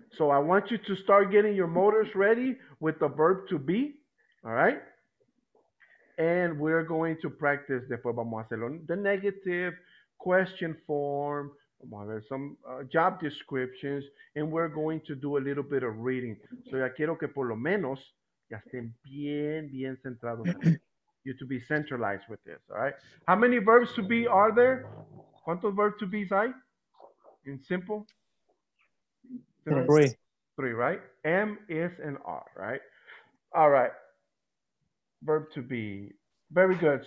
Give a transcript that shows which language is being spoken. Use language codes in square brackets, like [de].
[en] So I want you to start getting your motors ready with the verb to be, all right? And we are going to practice, [es] después vamos a hacerlo, [en] the negative question form, [es] vamos a ver [en] some job descriptions, and we're going to do a little bit of reading. [es] So ya quiero que por lo menos ya estén bien, bien centrados. [en] You to be centralized with this, all right? How many verbs to be are there? [es] ¿Cuántos verbs to be hay? [en] In simple? Three, right? M, is, and R, right? All right. Verb to be. Very good.